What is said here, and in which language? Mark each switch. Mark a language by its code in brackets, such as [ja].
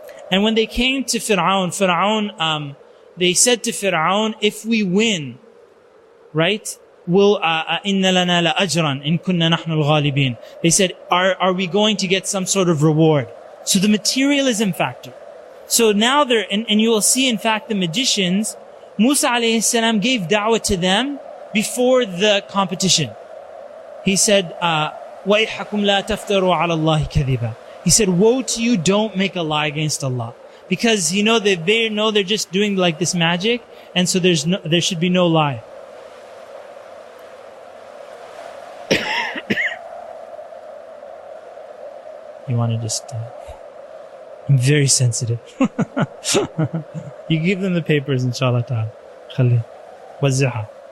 [en] And when they came to Fir'aun, they said to Fir'aun, if we win, right, we'll, [ar] إِنَّ لَنَا لَأَجْرًا إِن كُنَّا نَحْنُ الْغَالِبِينَ. [en] They said, are we going to get some sort of reward? So the materialism factor. So now they're, and you will see, in fact, the magicians, Musa alayhi salam gave da'wah to them before the competition. He said, [ar] وَإِحَكُمْ لَا تَفْتَرُوا عَلَى اللَّهِ كَذِبًا. [en] He said, woe to you, don't make a lie against Allah. Because, you know, they know they're just doing like this magic, and so there's no, there should be no lie. You want to just, I'm very sensitive. You give them the papers, inshallah ta'ala. Khalil. Wazi'ha.